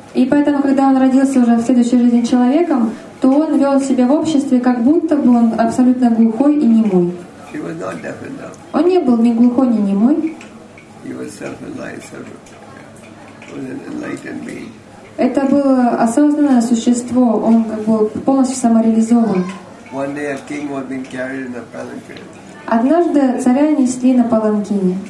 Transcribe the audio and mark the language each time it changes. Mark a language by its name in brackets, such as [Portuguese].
[Russian] И поэтому, когда он родился уже в следующей жизни человеком, то он вел себя в обществе, как будто бы он абсолютно глухой и немой. [English] He was not deaf and dumb. [Russian] Он не был ни глухой, ни немой. [English] He was self-enlightened, an enlightened being. [Russian] Это было осознанное существо, он как бы полностью самореализован. [English] One day a king was being carried in a palanquin. [Russian] Однажды царя несли на паланкине.